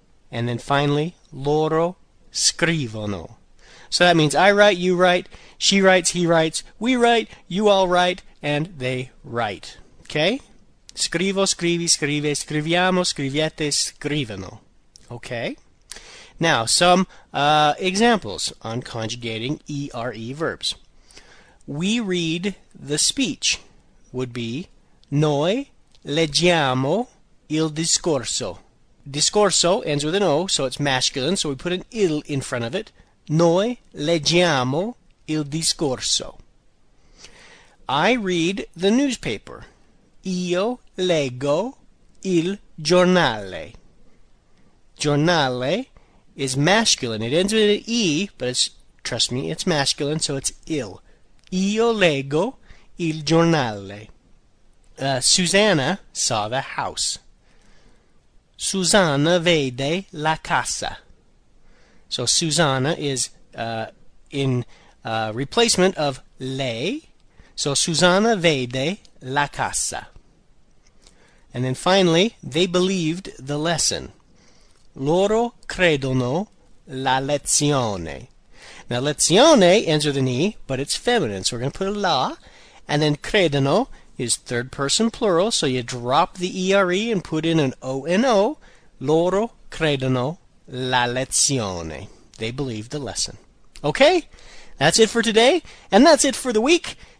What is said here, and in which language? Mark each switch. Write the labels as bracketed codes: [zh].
[en] And then finally, [it] loro scrivono. [en] So that means I write, you write, she writes, he writes, we write, you all write, and they write. Okay? [it] Scrivo, scrivi, scrive, scriviamo, scriviete, scrivono. Okay? [en] Now, some examples on conjugating ere verbs. We read the speech would be [it] noi leggiamo il discorso. [en] Discorso ends with an O, so it's masculine, so we put an il in front of it. [it] Noi leggiamo il discorso. [en] I read the newspaper. [it] Io leggo il giornale. [en] Giornale is masculine. It ends with an E, but it's, trust me, it's masculine, so it's il. [it] Io leggo il giornale. [en] Susanna saw the house. [it] Susanna vede la casa. [en] So Susanna is in replacement of lei. So Susanna vede la casa. And then finally, they believed the lesson. [it] Loro credono la lezione. [en] Now lezione ends with an E, but it's feminine. So we're going to put a la. And then credono is third person plural. So you drop the ere and put in an O-N-O. [it] Loro credono la lezione. [en] They believe the lesson. Okay, that's it for today. And that's it for the week.